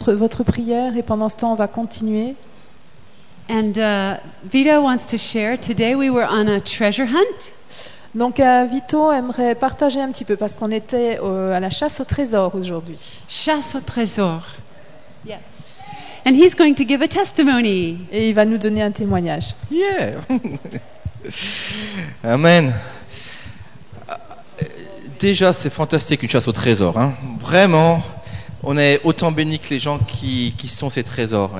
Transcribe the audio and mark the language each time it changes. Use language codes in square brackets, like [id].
[fr] votre prière et pendant ce temps on va continuer. [en] And Vito wants to share. Today we were on a treasure hunt. [fr] Donc Vito aimerait partager un petit peu parce qu'on était à la chasse au trésor aujourd'hui. Chasse au trésor. [en] Yes. And he's going to give a testimony. Et il va nous donner un témoignage. Yeah. Amen. [fr] Déjà, c'est fantastique une chasse au trésor. Hein. Vraiment, on est autant bénis que les gens qui sont ces trésors.